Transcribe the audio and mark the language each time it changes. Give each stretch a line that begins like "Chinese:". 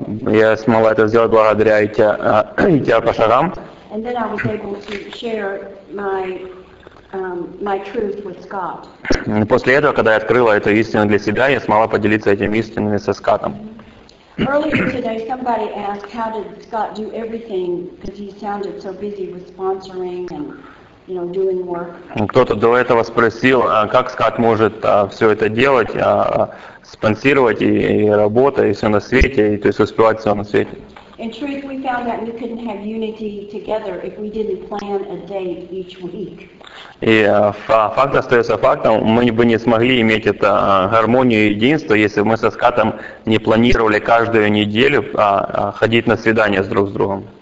Russian: Я смогла это сделать благодаря идти по шагам.
English: And then I was able to share my truth with Scott.
Russian: После этого, когда я открыла эту истину для себя, я смогла поделиться этими истинами со Скаттом.
English: Earlier today somebody asked how did Scott do everything because he sounded so busy with sponsoring and doing work.
Russian: Кто-то до этого спросил, как Скат может все это делать, спонсировать и работа, и все на свете, и то есть успевать все на свете.
English: In truth, we found that we couldn't have unity together if we didn't plan a date each week.
Russian: И факт остается фактом, мы бы не смогли иметь это гармонию и единство, если бы мы со Скатом не планировали каждую неделю ходить на свидания друг с другом.